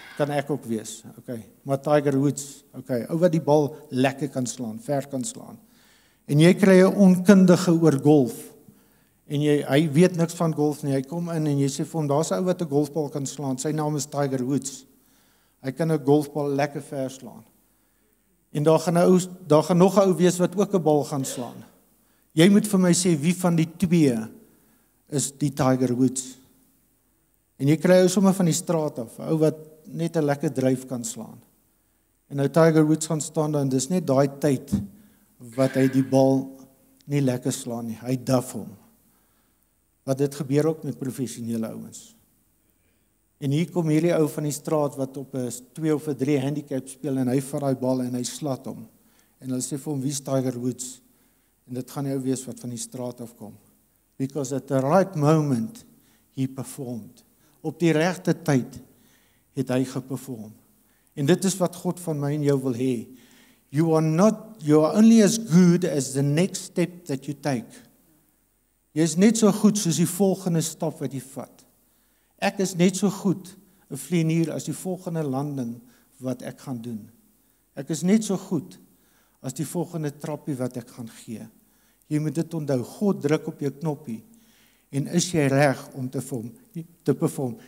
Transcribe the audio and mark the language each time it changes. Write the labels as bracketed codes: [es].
[af] Kan ek ook wees, ok, maar Tiger Woods, ok, ou wat die bal lekker kan slaan, ver kan slaan, en jy kry 'n onkundige oor golf, en hy weet niks van golf nie, hy kom in en jy sê vir hom, daar is ou wat 'n golfbal kan slaan, sy naam is Tiger Woods, hy kan 'n golfbal lekker ver slaan, en daar gaan nog 'n ou wees wat ook 'n bal gaan slaan, jy moet vir my sê, wie van die twee is die Tiger Woods? En jy kry jou somme van die straat af, ou wat net 'n lekker dryf kan slaan. En nou Tiger Woods gaan staan daar, en dis net die tyd wat hy die bal nie lekker slaan nie, hy duff hom. Want dit gebeur ook met professionele ouens. En hier kom hierdie ou van die straat wat op 2 of 3 handicap speel, en hy vat die bal en hy slaat hom. En hulle sê vir hom, wie is Tiger Woods? En dit gaan jou wees wat van die straat af kom. [en] Because at the right moment he performed. [af] Op die regte tyd het hy geperform. En dit is wat God van my en jou wil hê. [en] You are only as good as the next step that you take. [af] Jy is net so goed soos die volgende stap wat jy vat. Ek is net so goed 'n vlieënier as die volgende landing wat ek gaan doen. Ek is net so goed as die volgende trappie wat ek gaan gee. Jy moet dit onthou. God druk op jou knoppie. En is jy reg om te perform?